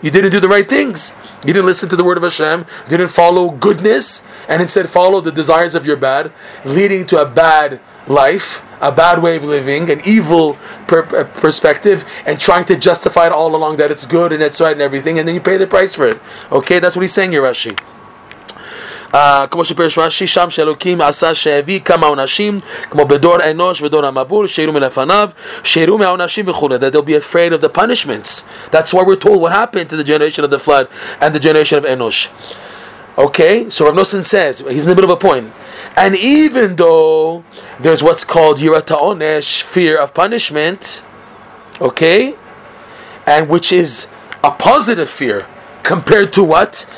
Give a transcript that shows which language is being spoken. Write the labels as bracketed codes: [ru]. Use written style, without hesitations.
[en] You didn't do the right things. You didn't listen to the word of Hashem. You didn't follow goodness, and instead follow the desires of your bad, leading to a bad life, a bad way of living, an evil perspective, and trying to justify it all along that it's good and it's right and everything, and then you pay the price for it. Okay, that's what he's saying here, Rashi. [he] כמו שפרש רשי שם שאלוקים עשה שהביא כמה אנשים כמו בדור אנוש ודור המבול שירו מלפניו שירו מהאנשים וכו'. [en] That they'll be afraid of the punishments. That's why we're told what happened to the generation of the flood and the generation of Enosh. Okay, so Rav Nosson says, he's in the middle of a point, and even though there's what's called Yirat HaOnesh, fear of punishment, okay, and which is a positive fear compared to what?